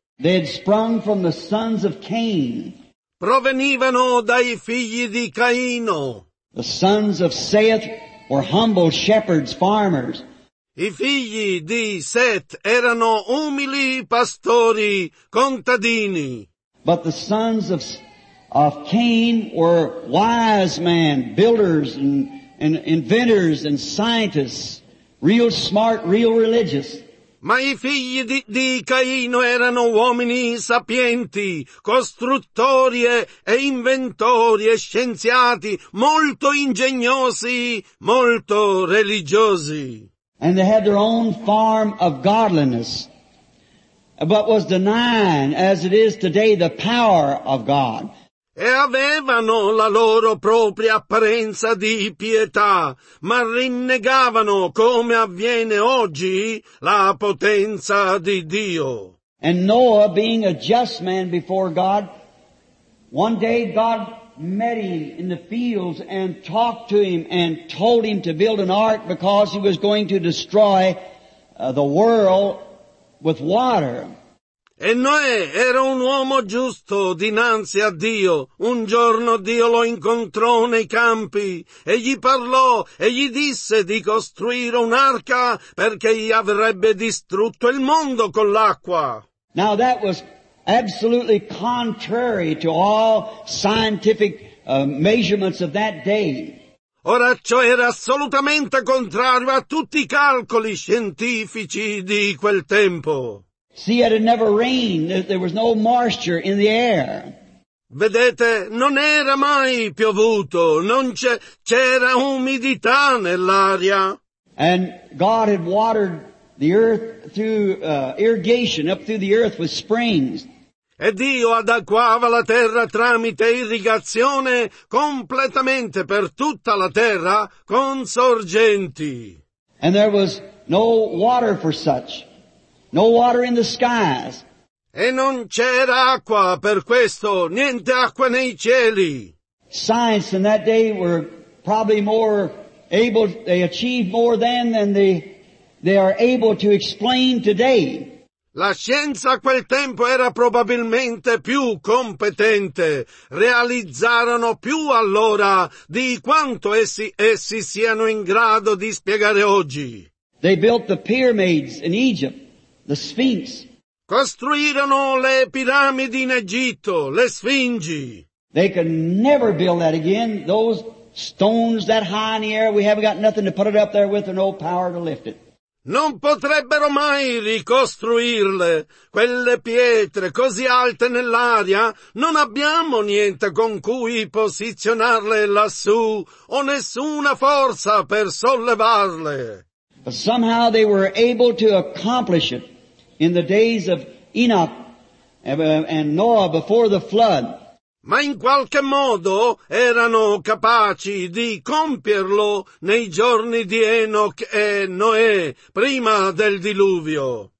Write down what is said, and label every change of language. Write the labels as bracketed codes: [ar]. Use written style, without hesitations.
[en] They had sprung from the sons of Cain. [it] Provenivano dai figli di Caino. [en] The sons of Seth were humble shepherds, farmers. [it] I figli di Seth erano umili pastori, contadini. [en] But the sons of Cain were wise men, builders and inventors and scientists, real smart, real religious. [it] Ma i figli di Caino erano uomini sapienti, costruttori e inventori e scienziati, molto ingegnosi, molto religiosi. [en] And they had their own form of godliness, but was denying, as it is today, the power of God. [it] E avevano la loro propria apparenza di pietà, ma rinnegavano, come avviene oggi, la potenza di Dio. [en] And Noah, being a just man before God, one day God met him in the fields and talked to him and told him to build an ark because he was going to destroy the world with water. [it] E Noè era un uomo giusto dinanzi a Dio. Un giorno Dio lo incontrò nei campi e gli parlò e gli disse di costruire un'arca perché gli avrebbe distrutto il mondo con l'acqua. [en] Now that was absolutely contrary to all scientific measurements of that day. [it] Ora ciò era assolutamente contrario a tutti i calcoli scientifici di quel tempo. [en] See, it had never rained. There was no moisture in the air. [it] Vedete, non era mai piovuto. Non c'era umidità nell'aria. [en] And God had watered the earth through irrigation, up through the earth with springs. [it] E Dio adacquava la terra tramite irrigazione completamente per tutta la terra con sorgenti. [en] And there was no water for such. No water in the skies. [it] E non c'era acqua per questo, niente acqua nei cieli. [en] Science in that day were probably more able, they achieved more than they are able to explain today. [it] La scienza a quel tempo era probabilmente più competente. Realizzarono più allora di quanto essi siano in grado di spiegare oggi. [en] They built the pyramids in Egypt, the Sphinx. [it] Costruirono le piramidi in Egitto, le Sfingi. [en] They could never build that again. Those stones that high in the air, we haven't got nothing to put it up there with or no power to lift it. [it] Non potrebbero mai ricostruirle, quelle pietre così alte nell'aria, non abbiamo niente con cui posizionarle lassù o nessuna forza per sollevarle. [en] But somehow they were able to accomplish it in the days of Enoch and Noah before the flood. [it] Ma in qualche modo erano capaci di compierlo nei giorni di Enoch e Noè, prima del diluvio.